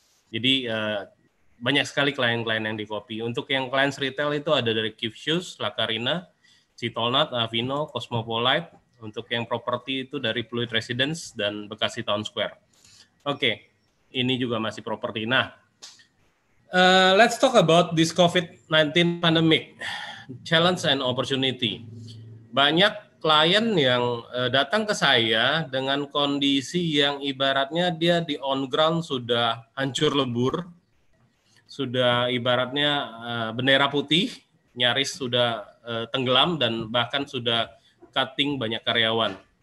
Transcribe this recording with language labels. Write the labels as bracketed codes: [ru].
[id] Jadi, banyak sekali klien-klien yang dikopi. Untuk yang klien retail itu ada dari Kivshoes, La Carina, Citolnat, Avino, Cosmopolite. Untuk yang properti itu dari Pluit Residence dan Bekasi Town Square. Oke, okay. Ini juga masih properti. [en] Nah, let's talk about this COVID-19 pandemic, challenge and opportunity. [id] Banyak klien yang datang ke saya dengan kondisi yang ibaratnya dia di on ground sudah hancur lebur, sudah ibaratnya bendera putih, nyaris sudah tenggelam, dan bahkan sudah cutting banyak karyawan.